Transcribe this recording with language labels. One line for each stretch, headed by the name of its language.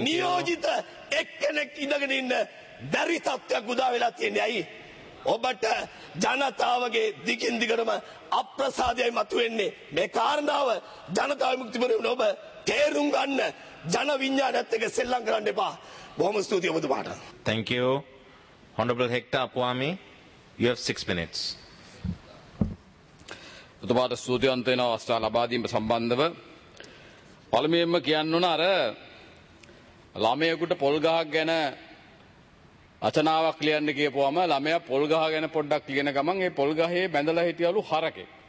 Sinhala: නියෝජිත එක්කෙනෙක් ඉඳගෙන ඉන්න බැරි තත්ත්වයක් උදා වෙලා තියෙන්නේ. ඇයි ඔබට ජනතාවගේ දිගින් දිගටම අප්‍රසාදයයි මතුවෙන්නේ? මේ කාරණාව ජනතා විමුක්ති පෙරමුණ ඔබ තේරුම් ගන්න ජන විඥාණයත් එක්ක සෙල්ලම් කරන්න එපා. බොහොම ස්තුතියි ඔබතුමාට.
English: Thank you. Honorable Hector Apuwami, you have 6 minutes.
Sinhala: ඔබට ස්තුතියන්ත වෙනවා අවස්ථාව ලබා දීම සම්බන්ධව. පළමුවෙන්ම කියන්න ඕන අර ළමයෙකුට පොල් ගහක් ගැන රචනාවක් ලියන්න කියපුවම ළමයා පොල් ගහ ගැන පොඩ්ඩක් ලියන ගමන් ඒ පොල් ගහේ බැඳලා හිටියලු හරකෙක්.